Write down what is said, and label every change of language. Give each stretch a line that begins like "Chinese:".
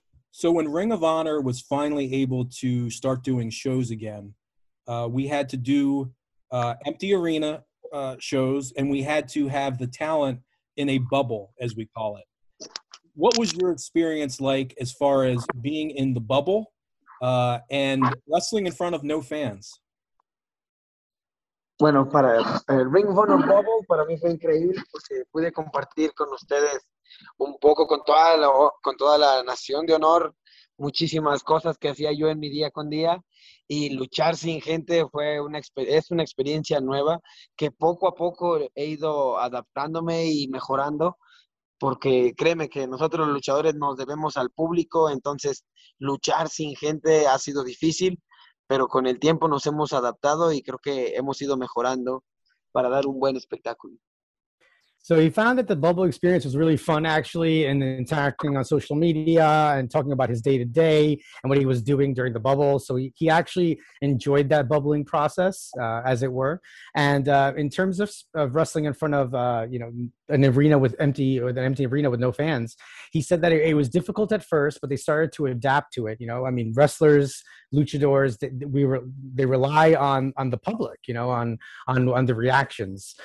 English: So when Ring of Honor was finally able to start doing shows again, we had to do empty arena shows, and we had to have the talent in a bubble, as we call it. What was your experience like as far as being in the bubble and wrestling in front of no fans?
Spanish: Bueno, para el Ring of Honor bubble, para mí fue increíble porque pude compartir con ustedes un poco con toda la nación de honor, muchísimas cosas que hacía yo en mi día con día, y luchar sin gente es una experiencia nueva que poco a poco he ido adaptándome y mejorando, porque créeme que nosotros los luchadores nos debemos al público, entonces luchar sin gente ha sido difícil, pero con el tiempo nos hemos adaptado y creo que hemos ido mejorando para dar un buen espectáculo.
English: So he found that the bubble experience was really fun, actually, in interacting on social media and talking about his day-to-day and what he was doing during the bubble. So he actually enjoyed that bubbling process, as it were. And in terms of wrestling in front of an empty arena with no fans, he said that it was difficult at first, but they started to adapt to it. You know, I mean, wrestlers, luchadors, they rely on the public, you know, on the reactions.